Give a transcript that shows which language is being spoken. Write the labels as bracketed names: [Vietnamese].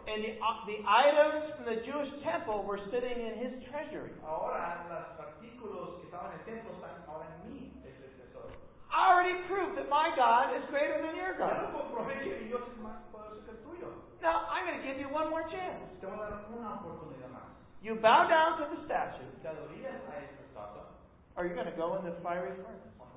[English] And the items from the Jewish temple were sitting in his treasury. [Spanish] Ahora los artículos que estaban en el templo están ahora en mí. [English] I already proved that my God is greater than your God. Now, I'm going to give you one more chance. You bow down to the statue. Are you going to go in the fiery furnace?